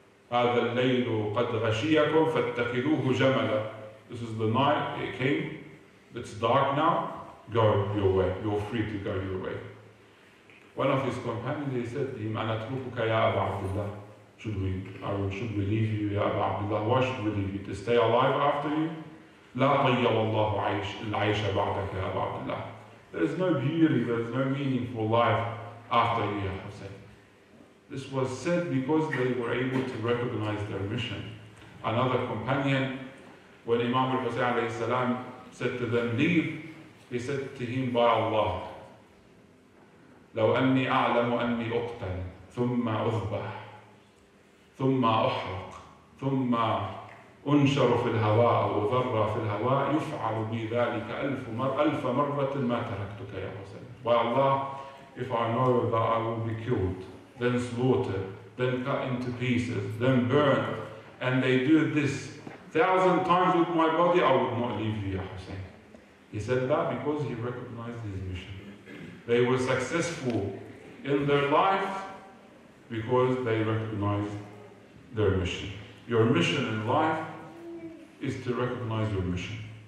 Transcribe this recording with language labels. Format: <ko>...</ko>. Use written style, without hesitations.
<ar>هَذَا اللَّيْلُ قَدْ غَشِيَكُمْ فَاتَّخِذُوهُ جَمَلًا.</ar> <en>This is the night, it came, it's dark now, go your way, you're free to go your way. One of his companions, he said to him,</en> <ar>أَنَتْرُكُكَ يَا أَبَا عَبْدُلَّهِ.</ar> <en>Should we leave you, Ya Aba Abdullah? Why should we leave you? To stay alive after you?</en> <ar>لا طيّ الله عيش العيش بعدك يا أبا عبدالله.</ar> <en>There is no beauty, there is no meaning for life after you, Ya Hussein. This was said because they were able to recognize their mission. Another companion, when Imam al-Husayn alayhi salam said to them, leave, he said to him, by Allah,</en> <ar>لو أني أعلم أني أقتل ثم أذبح ثم أحرق ثم أنشر في الهواء وذر في الهواء يفعل بي ذلك ألف مرة ما تركتك يا حسين.</ar> <en>By Allah, if I know that I will be killed, then slaughtered, then cut into pieces, then burned, and they do this 1,000 times with my body, I would not leave you, Ya Hussein. He said that because he recognized his mission. They were successful in their life because they recognized their mission. Your mission in life is to recognize your mission.</en>